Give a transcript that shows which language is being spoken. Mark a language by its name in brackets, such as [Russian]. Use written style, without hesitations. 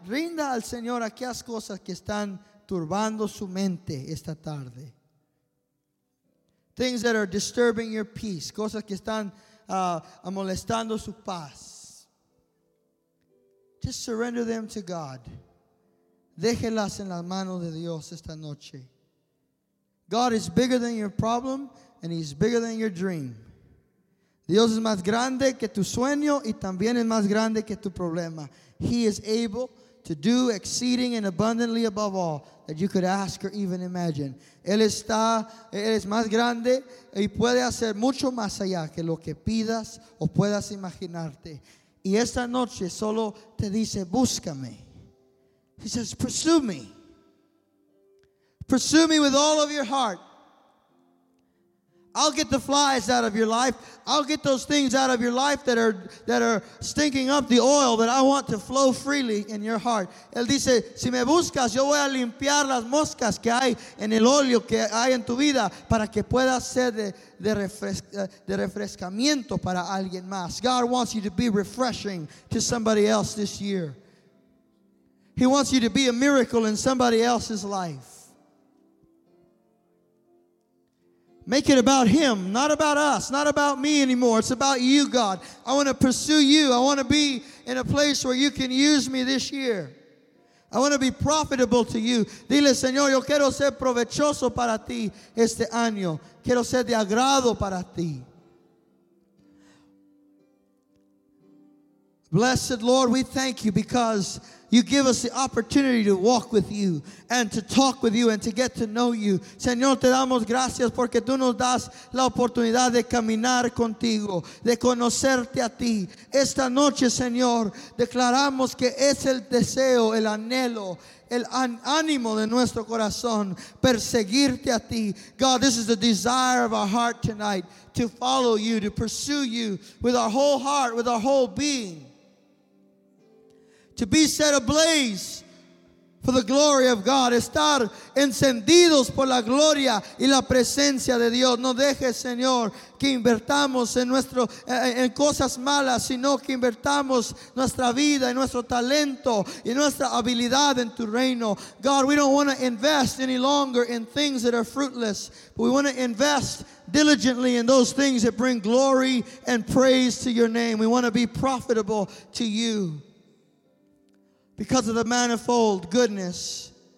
[Spanish] Rinda al Señor aquellas cosas que están turbando su mente esta tarde. [English] Things that are disturbing your peace. [Spanish] Cosas que están molestando su paz. [English] Just surrender them to God. [Spanish] Déjelas en las manos de Dios esta noche. [English] God is bigger than your problem and He's bigger than your dream. [Spanish] Dios es más grande que tu sueño y también es más grande que tu problema. [English] He is able to do exceeding and abundantly above all that you could ask or even imagine. [Spanish] Él es más grande y puede hacer mucho más allá que lo que pidas o puedas imaginarte. Y esta noche solo te dice, búscame. [English] He says, pursue me. Pursue me with all of your heart. I'll get the flies out of your life. I'll get those things out of your life that are stinking up the oil that I want to flow freely in your heart. [Spanish] Él dice, si me buscas, yo voy a limpiar las moscas que hay en el óleo que hay en tu vida para que pueda ser de refrescamiento para alguien más. [English] God wants you to be refreshing to somebody else this year. He wants you to be a miracle in somebody else's life. Make it about Him, not about us, not about me anymore. It's about you, God. I want to pursue you. I want to be in a place where you can use me this year. I want to be profitable to you. [Spanish] Dile, Señor, yo quiero ser provechoso para ti este año. Quiero ser de agrado para ti. [English] Blessed Lord, we thank you because you give us the opportunity to walk with you and to talk with you and to get to know you. [Spanish] Señor, te damos gracias porque tú nos das la oportunidad de caminar contigo, de conocerte a ti. Esta noche, Señor, declaramos que es el deseo, el anhelo, el ánimo de nuestro corazón, perseguirte a ti. [English] God, this is the desire of our heart tonight, to follow you, to pursue you with our whole heart, with our whole being. To be set ablaze for the glory of God. [Spanish] Estar encendidos por la gloria y la presencia de Dios. No dejes, Señor, que invertamos en cosas malas, sino que invertamos nuestra vida y nuestro talento y nuestra habilidad en tu reino. [English] God, we don't want to invest any longer in things that are fruitless. But we want to invest diligently in those things that bring glory and praise to your name. We want to be profitable to you. Because of the manifold goodness